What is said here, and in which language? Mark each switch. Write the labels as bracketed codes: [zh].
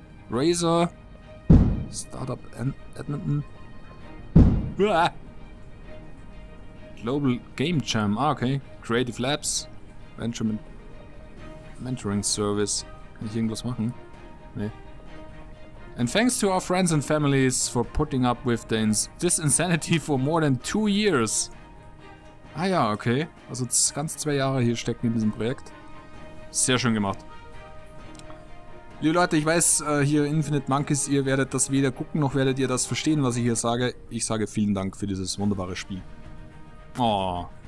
[en] Razor. Startup Edmonton. Uah. Global Game Jam. Ah, okay. Creative Labs. Benjamin. Mentoring Service. [de] Kann ich irgendwas machen? Nee. [en] And thanks to our friends and families for putting up with this insanity for more than 2 years. [de] Ah ja, okay. Also ganz 2 Jahre hier stecken in diesem Projekt. Sehr schön gemacht. Liebe Leute, ich weiß, hier Infinite Monkeys, ihr werdet das weder gucken, noch werdet ihr das verstehen, was ich hier sage. Ich sage vielen Dank für dieses wunderbare Spiel. Oh.